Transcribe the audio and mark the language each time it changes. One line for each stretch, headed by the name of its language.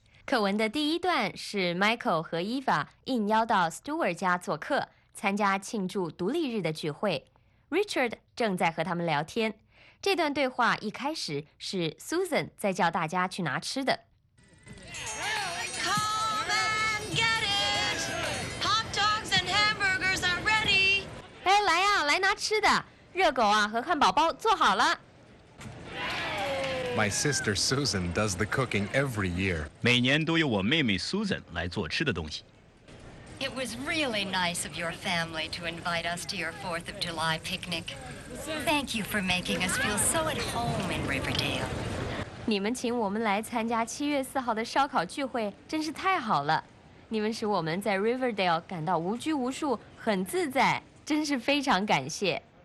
Chinese: 课文的第一段是 Michael 和 Eva 应邀到 Stewart 家做客，参加庆祝独立日的聚会。 Richard 正在和他们聊天。这段对话一开始是 Susan 在叫大家去拿吃的。
English: Come and get it! Hot dogs and hamburgers are ready!
Chinese: 哎，来呀，来拿吃的。热狗啊和汉堡包做好了。
English: My sister Susan does the cooking every year.
Chinese: 每年都由我妹妹 Susan 来做吃的东西。
English: It was really nice of your family to invite us to your 4th of July picnic. Thank you for making us feel so at home in Riverdale.
Chinese: 你们请我们来参加7月4号的烧烤聚会真是太好了。你们使我们在 Riverdale 感到无拘无束，很自在，真是非常感谢。